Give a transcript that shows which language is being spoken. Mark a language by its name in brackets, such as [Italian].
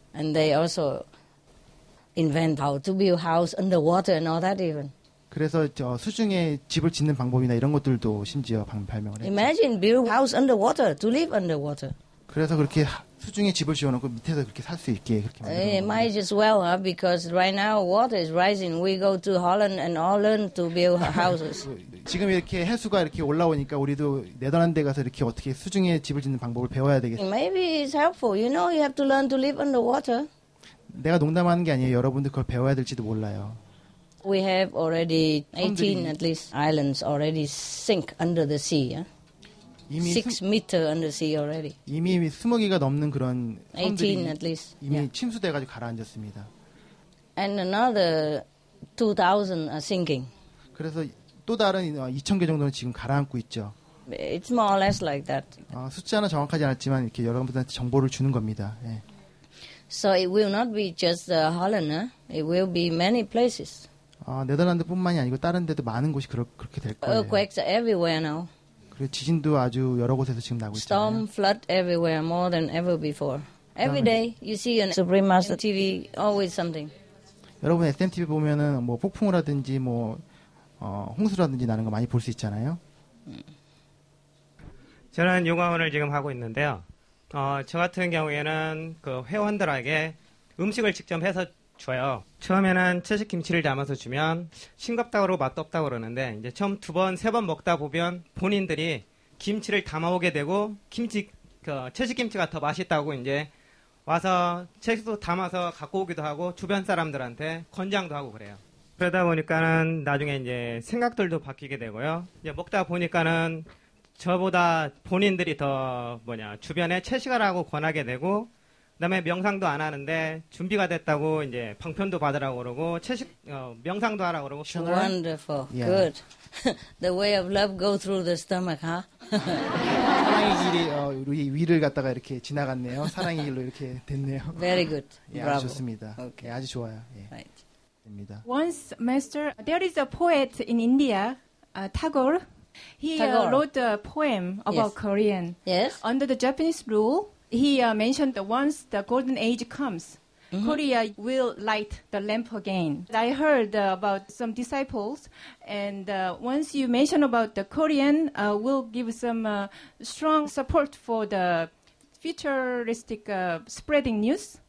[English] and they also invent how to build house underwater and all that even. [Korean] 그래서 저 수중에 집을 짓는 방법이나 이런 것들도 심지어 발명을 했죠. [English] Imagine build house underwater to live underwater. [Korean] 그래서 그렇게 수중에 집을 지어 놓고 밑에서 그렇게 살 수 있게 그렇게 만든 거예요. [English] Might as well because right now water is rising. We go to Holland and Holland to build houses. [Korean] 지금 이렇게 해수가 이렇게 올라오니까 우리도 네덜란드에 가서 이렇게 어떻게 수중에 집을 짓는 방법을 배워야 되겠어요. [English] Maybe it's helpful. You know, you have to learn to live underwater. [Korean] 내가 농담하는 게 아니에요. 여러분들 그걸 배워야 될지도 몰라요. [English] We have already 18 at least islands already sink under the sea. Six meters under sea already. [Korean] 이미 20개가 넘는 그런 [English] 18 at least [Korean] 이미 yeah. 침수돼가지고 가라앉았습니다. [English] And another 2,000 are sinking. [Korean] 그래서 또 다른 2,000개 정도는 지금 가라앉고 있죠. [English] It's more or less like that. [Korean] 숫자는 정확하지 않았지만 이렇게 여러분들한테 정보를 주는 겁니다. 예. [English] So it will not be just Holland. It will be many places. [Korean] 네덜란드뿐만이 아니고 다른 데도 많은 곳이 그렇게 될 거예요. [English] Earthquakes are everywhere now. [Korean] 그 지진도 아주 여러 곳에서 지금 나고 있잖아요. [English] Storm, flood everywhere more than ever before. Every day you see on Supreme Master TV always something. [Korean] 여러분 SMTV 보면은 뭐 폭풍우라든지 뭐 홍수라든지 나는 거 많이 볼 수 있잖아요. 저는 요가원을 지금 하고 있는데요. 저 같은 경우에는 그 회원들에게 음식을 직접 해서 줘요. 처음에는 채식 김치를 담아서 주면 싱겁다고 맛도 없다고 그러는데 이제 처음 두 번, 세 번 먹다 보면 본인들이 김치를 담아오게 되고 김치 그 채식 김치가 더 맛있다고 이제 와서 채식도 담아서 갖고 오기도 하고 주변 사람들한테 권장도 하고 그래요. 그러다 보니까는 나중에 이제 생각들도 바뀌게 되고요. 이제 먹다 보니까는 저보다 본인들이 더 뭐냐 주변에 채식하라고 권하게 되고 그다음에 명상도 안 하는데 준비가 됐다고 이제 방편도 받으라고 그러고 채식 명상도 하라고 그러고 [English] sure. Wonderful. Yeah. Good. The way of love go through the stomach, huh? [Korean] 사랑의 길이 우리 위를 갔다가 이렇게 지나갔네요. 사랑의 길로 이렇게 됐네요. [English] Very good. [Korean] 예, 아주 좋습니다. Okay. 예, 아주 좋아요. 예. [English] Right. [Korean] 됩니다. [English] Once, Master, there is a poet in India, Tagore. He wrote a poem about yes. Korean. Yes. Under the Japanese rule, he mentioned that once the golden age comes, mm-hmm. Korea will light the lamp again. I heard about some disciples, and once you mention about the Korean, will give some strong support for the futuristic spreading news.